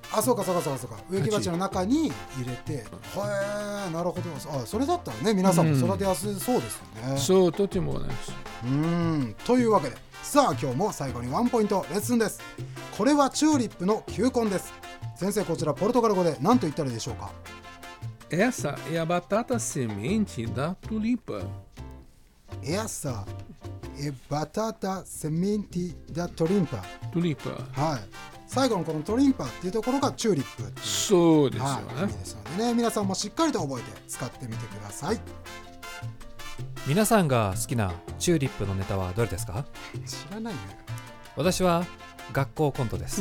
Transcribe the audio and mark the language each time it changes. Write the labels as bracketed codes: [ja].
[ja] あ、そうかそうかそうか。植木鉢の中に入れて。へえ、なるほど。あ、それだったらね、皆さんも育てやすそうですよね。そう、とてもね。というわけで、さあ今日も最後にワンポイントレッスンです。これはチューリップの球根です。先生、こちらポルトガル語で何と言ったらいいでしょうか？ [pt] Essa é a batata semente da tulipa. Essa é batata semente da tulipa. Tulipa. [ja] はい。最後のこのトリンパっていうところがチューリップ。そうですよね。はい、いいですよね。皆さんもしっかりと覚えて使ってみてください。皆さんが好きなチューリップのネタはどれですか？知らないね。私は学校コントです。